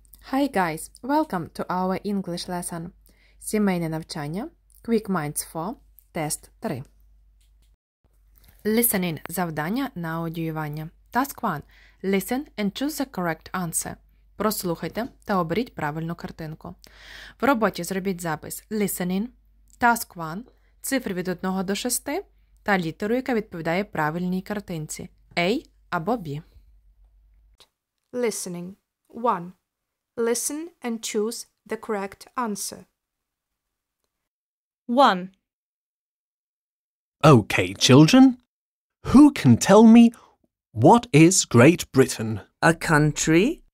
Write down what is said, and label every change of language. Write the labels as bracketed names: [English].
[English] Hi guys, welcome to our English lesson. [Ukrainian] Сімейне навчання, [English] Quick Minds 4, Test 3. [Ukrainian] Listening завдання на аудіювання. [English] Task 1. Listen and choose the correct answer. [Ukrainian] Прослухайте та оберіть правильну картинку. В роботі зробіть запис listening, task 1, цифри від 1 до 6 та літеру, яка відповідає правильній картинці A або B. [English] Listening 1. Listen and choose the correct answer. 1. Okay, children. Who can tell me what is Great Britain? A country.